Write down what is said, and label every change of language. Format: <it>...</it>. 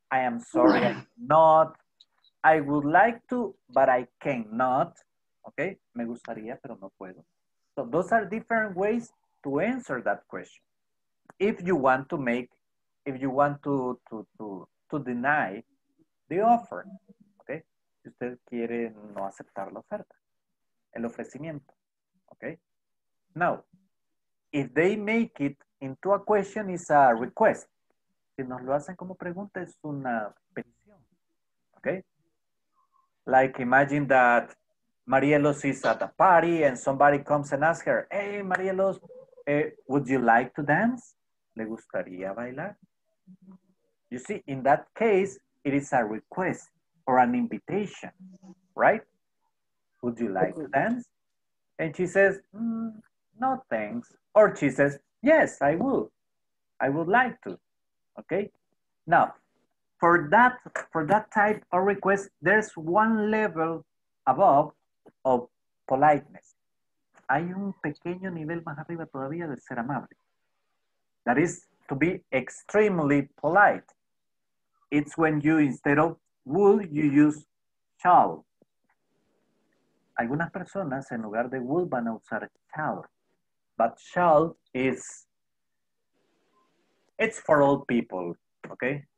<en>I am sorry. I'm not. I would like to, but I cannot. okay?</en> <es>Me gustaría, pero no puedo.</es> <en>So those are different ways to answer that question. If you want to make, if you want to deny the offer, okay?</en> <es>Si usted quiere no aceptar la oferta, el ofrecimiento, okay?</es> <en>Now, if they make it into a question, it's a request.</en> <es>Si nos lo hacen como pregunta, es una petición, okay?</es> <en>Like imagine that Marielos is at a party and somebody comes and asks her, hey, Marielos, would you like to dance?</en> <es>¿Le gustaría bailar?</es> <en>You see, in that case, it is a request or an invitation, right? Would you like to dance? And she says, no thanks. Or she says, yes, I will. I would like to, okay? Now, for that type of request, there's one level above of politeness.</en> <es>Hay un pequeño nivel más arriba todavía de ser amable.</es> <en>That is to be extremely polite. It's when you, instead of would, you use shall.</en> <es>Algunas personas en lugar de would van a usar shall.</es> <en>But shall is, it's for old people, okay?</en>